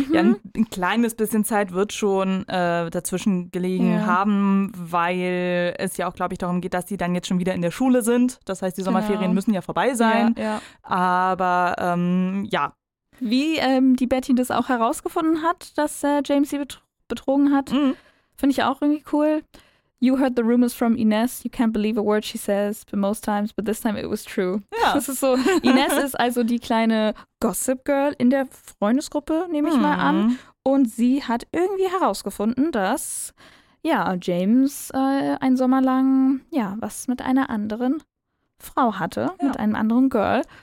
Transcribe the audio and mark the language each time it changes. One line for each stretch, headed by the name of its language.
German: Ja, ein kleines bisschen Zeit wird schon dazwischen gelegen haben, weil es ja auch, glaube ich, darum geht, dass sie dann jetzt schon wieder in der Schule sind. Das heißt, die Sommerferien müssen ja vorbei sein. Aber Wie die Betty das auch herausgefunden hat, dass James sie betrogen hat, finde ich auch irgendwie cool.
English: You heard the rumors from Ines. You can't believe a word she says, but most times, but this time it was true.
German: Ja. Das ist so. Ines ist also die kleine Gossip Girl in der Freundesgruppe, nehme ich mal an. Und sie hat irgendwie herausgefunden, dass ja, James einen Sommer lang ja, was mit einer anderen Frau hatte, ja, mit einem anderen Girl.